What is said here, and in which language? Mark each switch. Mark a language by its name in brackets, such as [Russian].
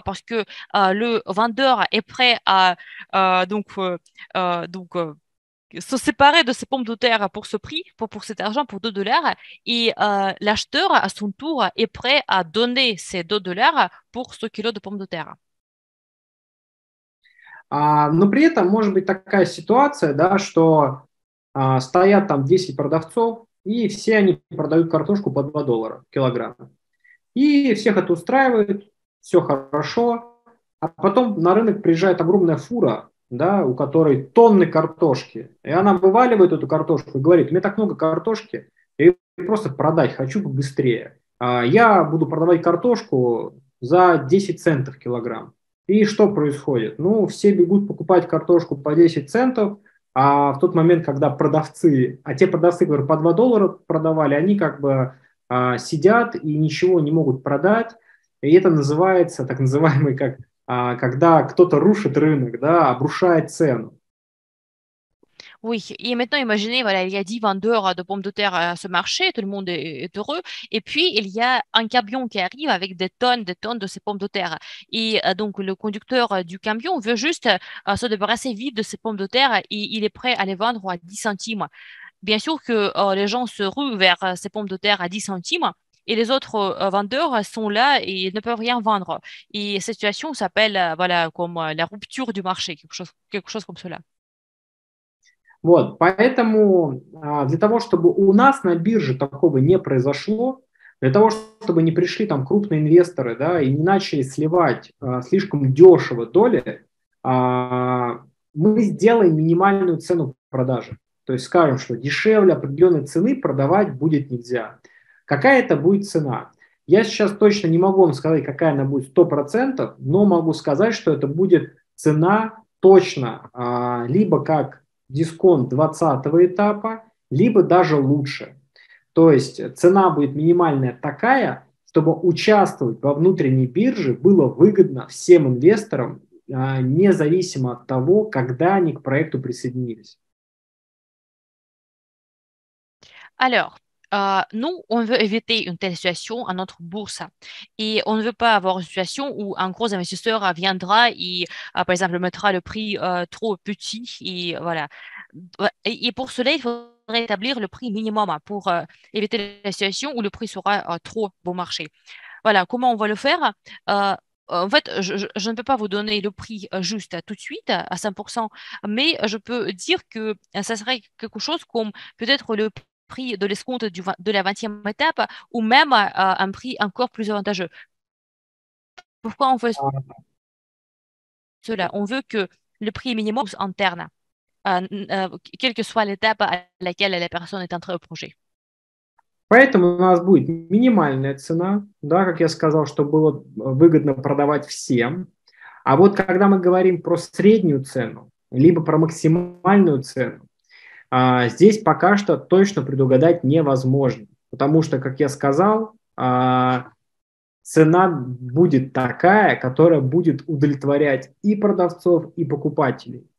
[French] Parce que le vendeur est prêt à se séparer de ses pommes de terre pour ce prix, pour cet argent, pour 2 dollars. Et l'acheteur, à son tour, est prêt à donner ces 2 dollars pour ce kilo de pommes de terre. [Russian] Но при этом может быть такая ситуация, да, что стоят там 10 продавцов, и все они продают картошку по 2 доллара килограмм. И всех это устраивает, все хорошо. А потом на рынок приезжает огромная фура, да, у которой тонны картошки. И она вываливает эту картошку и говорит, у меня так много картошки, я просто продать хочу быстрее. Я буду продавать картошку за 10 центов килограмм. И что происходит? Ну, все бегут покупать картошку по 10 центов, а в тот момент, когда продавцы, а те продавцы, которые по 2 доллара продавали, они как бы сидят и ничего не могут продать. И это называется так называемый как когда кто-то рушит рынок, да, обрушает цену. [French] Oui, et maintenant imaginez, voilà, il y a 10 vendeurs de pommes de terre à ce marché, tout le monde est heureux, et puis il y a un camion qui arrive avec des tonnes de ces pommes de terre. Et donc le conducteur du camion veut juste se débarrasser vite de ces pommes de terre et il est prêt à les vendre à 10 centimes. Bien sûr que les gens se ruent vers ces pommes de terre à 10 centimes et les autres vendeurs sont là et ne peuvent rien vendre. Et cette situation s'appelle voilà, comme la rupture du marché, quelque chose comme cela. [Russian] Вот, поэтому для того, чтобы у нас на бирже такого не произошло, для того, чтобы не пришли там крупные инвесторы, да, и не начали сливать слишком дешево доли, мы сделаем минимальную цену продажи. То есть скажем, что дешевле определенной цены продавать будет нельзя. Какая это будет цена? Я сейчас точно не могу вам сказать, какая она будет 100%, но могу сказать, что это будет цена точно, либо как дисконт 20 этапа, либо даже лучше. То есть цена будет минимальная такая, чтобы участвовать во внутренней бирже было выгодно всем инвесторам, независимо от того, когда они к проекту присоединились. [French] Alors, nous, on veut éviter une telle situation à notre bourse. Et on ne veut pas avoir une situation où un gros investisseur viendra et, par exemple, mettra le prix trop petit. Et, voilà. Et pour cela, il faudrait établir le prix minimum pour éviter la situation où le prix sera trop bon marché. Voilà, comment on va le faire En fait, je ne peux pas vous donner le prix juste tout de suite, à 5%, mais je peux dire que ça serait quelque chose comme peut-être le prix de l'escompte de la 20e étape ou même un prix encore plus avantageux. Pourquoi on veut cela? On veut que le prix minimum soit interne, quelle que soit l'étape à laquelle la personne est entrée au projet. [Russian] Поэтому у нас будет минимальная цена, да, как я сказал, чтобы было выгодно продавать всем. А вот когда мы говорим про среднюю цену, либо про максимальную цену, здесь пока что точно предугадать невозможно, потому что, как я сказал, цена будет такая, которая будет удовлетворять и продавцов, и покупателей.